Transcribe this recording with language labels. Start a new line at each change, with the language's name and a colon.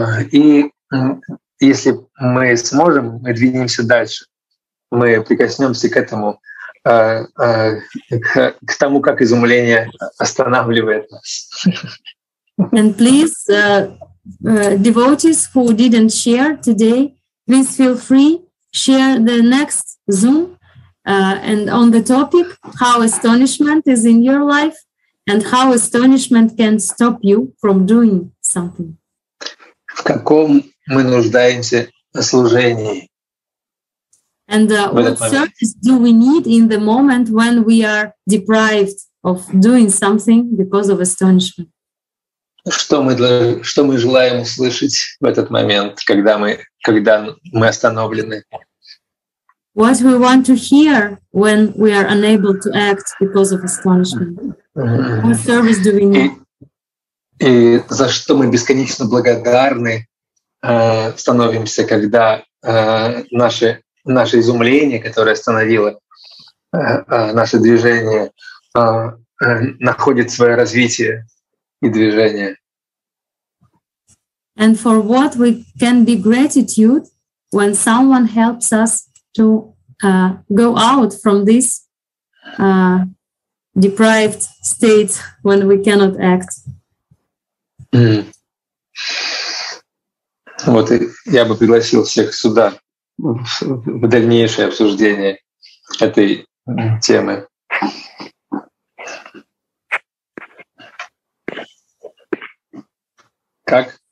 Russian: И если мы сможем, мы двинемся дальше, мы прикоснемся к этому, к тому, как изумление останавливает нас.
English: And please, devotees who didn't share today, please feel free share the next Zoom and on the topic how astonishment is in your life. And how astonishment can stop you from doing something?
Russian: В каком мы нуждаемся в служении?
English: And what service do we need in the moment when we are deprived of doing something because of astonishment?
Russian: Что мы желаем услышать в этот момент, когда мы остановлены?
English: What we want to hear when we are unable to act because of astonishment? What service do we need?
Russian: И за что мы бесконечно благодарны становимся, когда наше изумление, которое остановило наше движение, находит свое развитие и движение?
English: And for what we can be gratitude when someone helps us to go out from this deprived state when we cannot act. Mm.
Russian: Вот я бы пригласил всех сюда в дальнейшее обсуждение этой темы. Как?